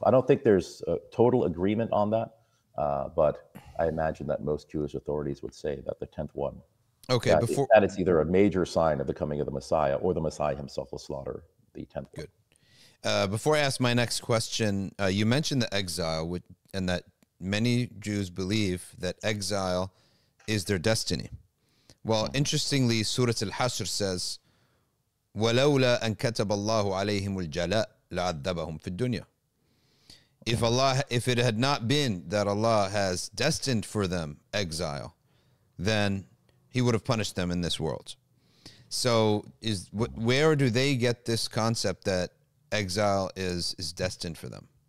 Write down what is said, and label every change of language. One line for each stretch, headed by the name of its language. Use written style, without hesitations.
English: I don't think there's a total agreement on that, but I imagine that most Jewish authorities would say that the 10th one, okay, that, before, that it's either a major sign of the coming of the Messiah or the Messiah himself will slaughter the 10th one. Good. Before I ask my next question, you mentioned the exile, and that many Jews believe that exile is their destiny. Well, interestingly, Surah Al-Hashr says,
Arabic: وَلَوْلَا أَنْ كَتَبَ اللَّهُ عَلَيْهِمُ الْجَلَاءُ لَعَذَّبَهُمْ فِي الدُّنْيَا.
English: If Allah, if it had not been that Allah has destined for them exile, then he would have punished them in this world. So is where do they get this concept that exile is destined for them?